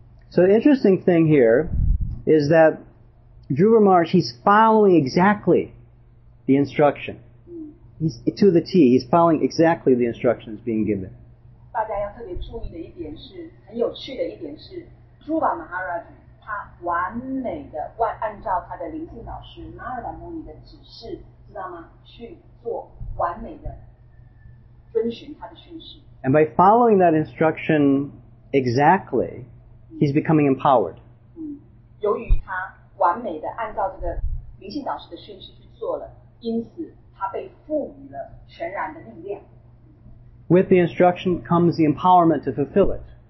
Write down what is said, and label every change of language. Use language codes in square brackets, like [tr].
[en] So the interesting thing here is that Dhruva Maharaj, he's following exactly the instruction. He's to the T, he's following exactly the instructions being given. Dhruva Maharaj [zh] 他完美的按照他的灵性导师纳尔达摩尼的指示，知道吗？去做完美的遵循他的训示。 [en] And by following that instruction exactly, he's becoming empowered. [zh] 由于他完美的按照这个灵性导师的训示去做了，因此他被赋予了全然的力量。 [en] With the instruction comes the empowerment to fulfill it.